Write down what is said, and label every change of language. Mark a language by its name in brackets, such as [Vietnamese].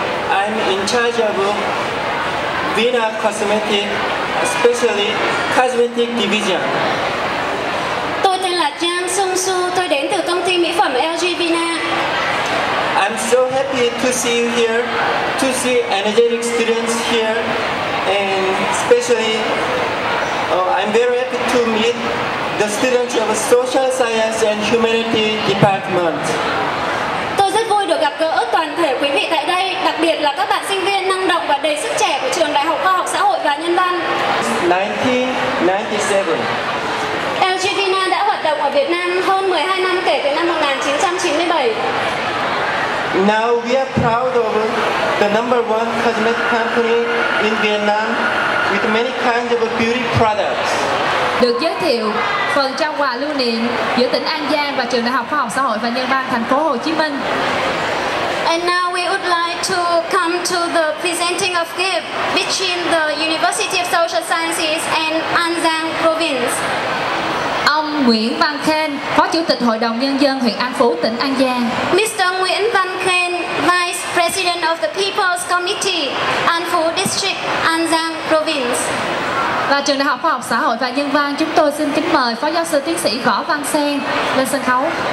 [English] I'm in charge of Vina Cosmetic, especially cosmetic division. [Vietnamese] Tôi tên là Chang Sung Soo. Tôi đến từ công ty mỹ phẩm LG Vina. [English] I'm so happy to see you here, to see energetic students here, and especially I'm very happy to meet the students of Social Science and Humanity Department. [Vietnamese] Tôi rất vui được gặp gỡ toàn thể quý vị tại đây, đặc biệt là các bạn sinh viên năng động và đầy sức trẻ của Trường Đại học Khoa học Xã hội và Nhân văn. [English] 1997. [Vietnamese] LG Vina đã hoạt động ở Việt Nam hơn 12 năm kể từ năm 1997. [English] Now we are proud of the number one cosmetic company in Vietnam with many kinds of beauty products. [Vietnamese] Được giới thiệu phần trao quà lưu niệm giữa tỉnh An Giang và Trường Đại học Khoa học Xã hội và Nhân văn thành phố Hồ Chí Minh. [English] And now we would like to come to the presenting of gift between the University of Social Sciences and An Giang Province. [Vietnamese] Ông Nguyễn Văn Khen, Phó Chủ tịch Hội đồng Nhân dân huyện An Phú, tỉnh An Giang. [English] Mr. Nguyễn Văn Khen, Vice President of the People's Committee, An Phú District, An Giang Province. [Vietnamese] Và Trường Đại học Khoa học Xã hội và Nhân văn, chúng tôi xin kính mời Phó Giáo sư Tiến sĩ Võ Văn Sen lên sân khấu.